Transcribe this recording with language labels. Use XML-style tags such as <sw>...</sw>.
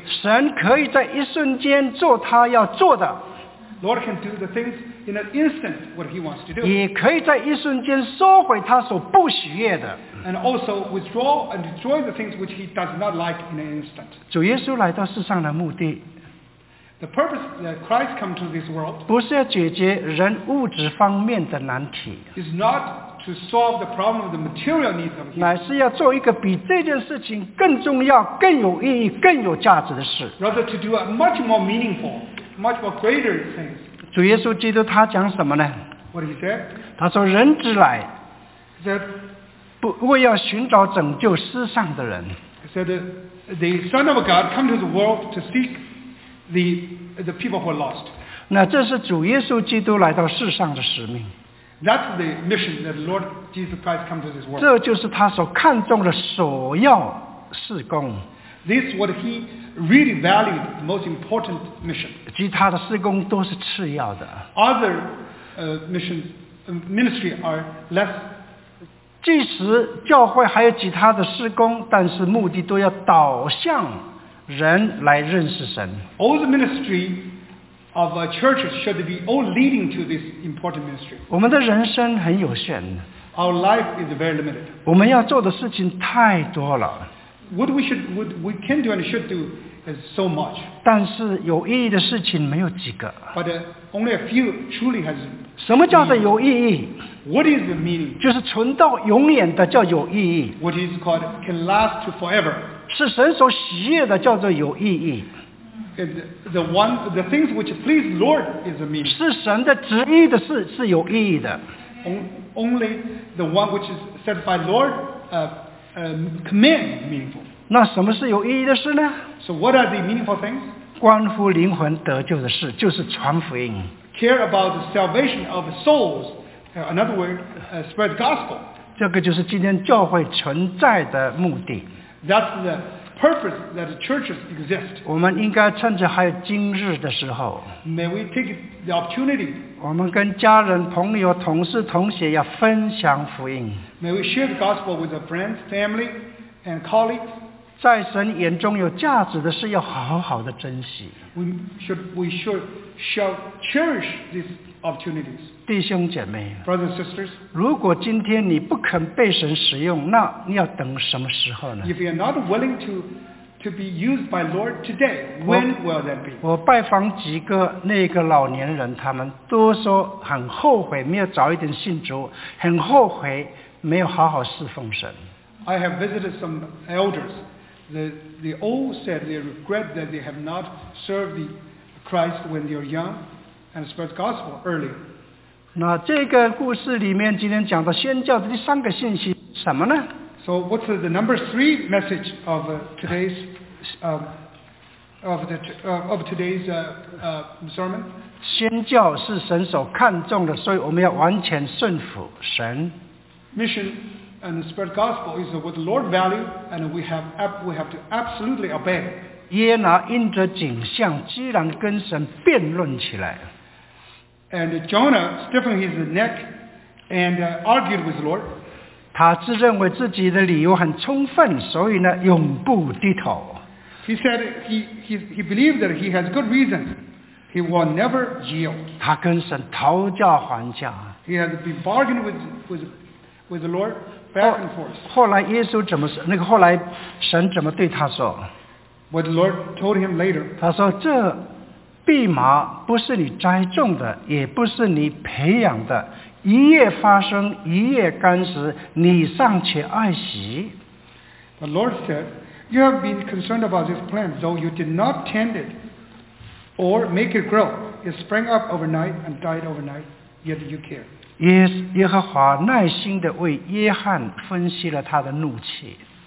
<zh>神可以在一瞬间做他要做的。</zh> <en>Lord can do the things in an instant what he wants to do.</en> <zh>也可以在一瞬间收回他所不喜悦的。</zh> <en>And also withdraw and destroy the things which he does not like in an instant.</en> <zh>主耶稣来到世上的目的。</zh> <en>The purpose that Christ came to this world.</en> <zh>不是要解决人物质方面的难题。</zh> <en>Is not to solve the problem of the material needs of him.</en> <zh>乃是要做一个比这件事情更重要、更有意义、更有价值的事。</zh> <en>Rather to do a much more meaningful. Much more greater things.</en> <zh>主耶稣基督他讲什么呢？</zh> <en>What he said?</en> <zh>他说人子来</zh> <en>he said,</en> <zh>不为要寻找拯救世上的人。</zh> <en>He said, the Son of God come to the world to seek the people who are lost.</en> <zh>那这是主耶稣基督来到世上的使命。</zh> <en>That's the mission that Lord Jesus Christ come to this world.</en> <zh>这就是他所看重的首要事工。</zh> <en>This is what he really valued the most important mission.</en> <zh>其他的事工都是次要的。</zh> <en>Other missions, ministry are less.</en> <zh>即使教会还有其他的事工，但是目的都要导向人来认识神。</zh> <en>All the ministry of a church should be all leading to this important ministry.</en> <zh>我们的人生很有限。</zh> <en>Our life is very limited.</en> <zh>我们要做的事情太多了。</zh> <en>What we should, what we can do and should do is so much.</en> <zh>但是有意义的事情没有几个。</zh> <en>But only a few truly has.</en> <zh>什么叫做有意义？</zh> <en>What is the meaning?</en> <zh>就是存到永远的叫有意义。</zh> <en>What is called can last to forever.</en> <zh>是神所喜悦的叫做有意义。</zh> <en>The things which please Lord is the meaning.</en> <zh>是神的旨意的事是有意义的。</zh> <en>Only the one which is set by Lord. Command meaningful.</en> <zh>那什么是有意义的事呢？</zh> <en>So what are the meaningful things?</en> <zh>关乎灵魂得救的事，就是传福音。</zh> <en>Care about the salvation of souls. In other words, spread the gospel.</en> <zh>这个就是今天教会存在的目的。</zh> <en>That's the purpose that churches exist.</en> <zh>我们应该趁着还有今日的时候。</zh> <en>May we take the opportunity.</en> <zh>我们跟家人、朋友、同事、同学要分享福音。</zh> <en>May we share the gospel with our friends, family, and colleagues.</en> <zh>在神眼中有价值的事要好好的珍惜。</zh> <en>We should cherish these opportunities.</en> <zh>弟兄姐妹。</zh> <en>Brothers and sisters.</en> <zh>如果今天你不肯被神使用，那你要等什么时候呢？</zh> <en>If you are not willing to be used by Lord today, when will that be?</en> <zh>我拜访几个那个老年人，他们都说很后悔没有早一点信主，很后悔。没有好好侍奉神。</zh> <en>I have visited some elders. They all said they regret that they have not served the Christ when they are young and spread gospel early.</en> <zh>那这个故事里面今天讲的宣教的第三个信息什么呢？</zh> <en>So what's the number three message of today's sermon?</en> <zh>宣教是神所看重的，所以我们要完全顺服神。</zh> <en>Mission and the spread gospel is what the Lord values, and we have to absolutely obey.</en> <zh>耶拿因着景象，居然跟神辩论起来。</zh> <en>And Jonah stiffened his neck and argued with the Lord.</en> <zh>他自认为自己的理由很充分，所以呢永不低头。</zh> <en>He said he believed that he has good reason. He will never yield.</en> <zh>他跟神讨价还价。</zh> <en>He has been bargained with the Lord back and forth.</en> <zh>后来耶稣怎么说？那个后来神怎么对他说</zh> <en>？What the Lord told him later.</en> <zh>他说这蓖麻不是你栽种的，也不是你培养的。一夜发生，一夜干时，你尚且爱惜。</zh> <en>The Lord said, "You have been concerned about this plant, though you did not tend it or make it grow. It sprang up overnight and died overnight. Yet you care."</en> <zh>耶和华耐心地为约翰分析了他的怒气。</zh>